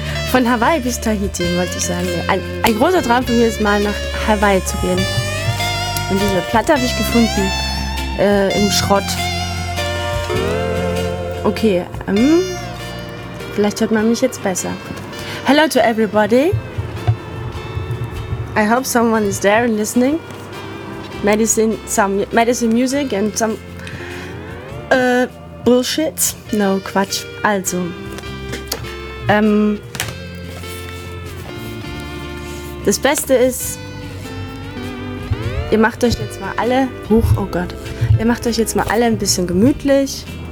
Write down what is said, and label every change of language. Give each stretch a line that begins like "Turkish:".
German: Von Hawaii bis Tahiti, wollte ich sagen. Ein großer Traum von mir ist mal nach Hawaii zu gehen. Und diese Platte habe ich gefunden im Schrott. Okay, vielleicht hört man mich jetzt besser.
English: Hello to everybody. I hope someone is there and listening. Medicine music and some bullshit.
German: No, Quatsch. Also, das Beste ist, ihr macht euch jetzt mal alle, hoch, oh Gott, ihr macht euch jetzt mal alle ein bisschen gemütlich.